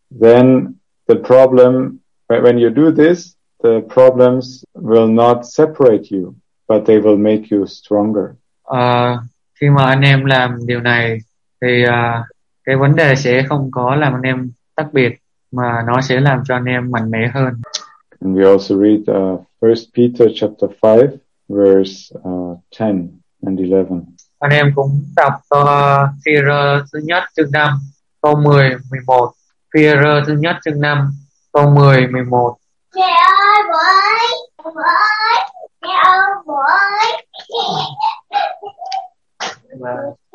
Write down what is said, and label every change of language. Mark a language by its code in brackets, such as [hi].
[en] Then the problem, when you do this, the problems will not separate you, but they will make you stronger. Khi mà anh em làm điều này, thì cái vấn đề sẽ không có làm anh em tách biệt, mà nó sẽ làm cho anh em mạnh mẽ hơn. And we also read 1 Peter chapter 5. Verse 10 and 11. [vi] Anh em cũng đọc Phi-e-rơ thứ nhất chương 5 câu 10 11. Phi-e-rơ thứ nhất chương 5 câu 10 11. Mẹ ơi, bố ơi, bố ơi, mẹ ơi, bố ơi, mẹ ơi, mẹ ơi,